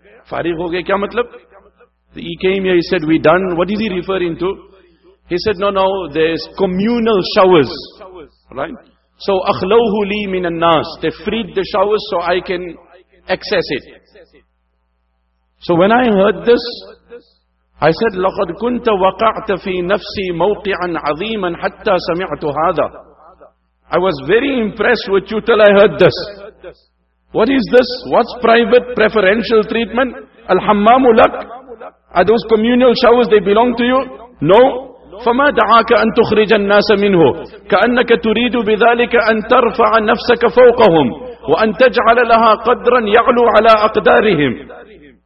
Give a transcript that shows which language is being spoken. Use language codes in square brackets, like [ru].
[ur] Farigh ho gaya, kya matlab? [en] He came here, he said, we done. What is he referring to? He said, no, there's communal showers. Right? So, [ar] akhlawhu li min an-nas. [en] They freed the showers so I can access it. So, when I heard this, I said, [ar] لَقَدْ كُنْتَ وَقَعْتَ فِي نَفْسِي مَوْقِعًا عَظِيمًا حَتَّى سَمِعْتُ هَذَا. [en] I was very impressed with you till I heard this. What is this? What's private preferential treatment? [ar] Al-hammamu lak? [en] Are those communal showers, they belong to you? No. [ar] فَمَا دَعَاكَ أَن تُخْرِجَ النَّاسَ مِنْهُ كَأَنَّكَ تُرِيدُ بِذَلِكَ أَن تَرْفَعَ نَفْسَكَ فَوْقَهُمْ وَأَن تَجْعَلَ لَهَا قَدْرًا يَعْلُو عَلَىٰ أَقْدَارِهِمْ.